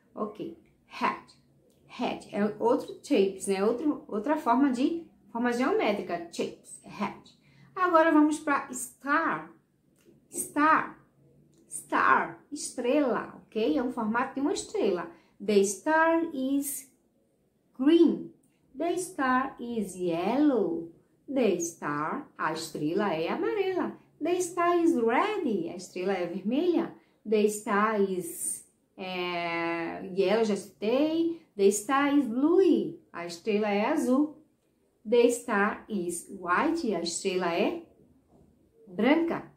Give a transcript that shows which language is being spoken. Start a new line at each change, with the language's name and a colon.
Portuguese: Ok, hat. Hat é outro shapes, né? Outra forma geométrica, shapes, hat. Agora vamos para star. Star. Star, estrela, ok? É um formato de uma estrela.
English: The star is green. The star is yellow. The star,
Portuguese: a estrela é amarela.
English: The star is red,
Portuguese: a estrela é vermelha.
English: The star is yellow,
Portuguese: já citei.
English: The star is blue,
Portuguese: a estrela é azul.
English: The star is white,
Portuguese: a estrela é branca.